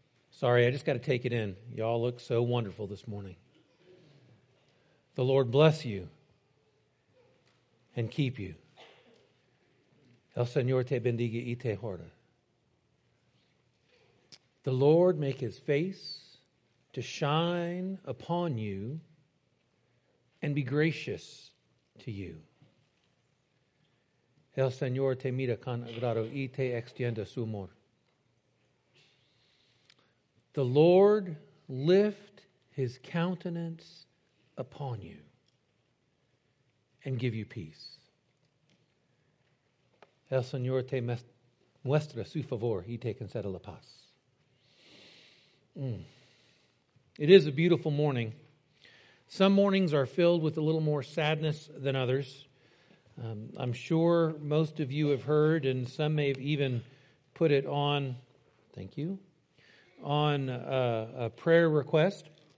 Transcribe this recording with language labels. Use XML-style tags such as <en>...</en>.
<en>Sorry, I just got to take it in. Y'all look so wonderful this morning. The Lord bless you and keep you.</en> <es>El Señor te bendiga y te guarde.</es> <en>The Lord make his face to shine upon you and be gracious to you.</en> <es>El Señor te mira con agrado y te extienda su amor.</es> <en>The Lord lift his countenance upon you and give you peace.</en> <es>El Señor te muestra su favor y te concede la paz.</es> <en>It is a beautiful morning. Some mornings are filled with a little more sadness than others. I'm sure most of you have heard, and some may have even put it on, thank you, on a prayer request.</en>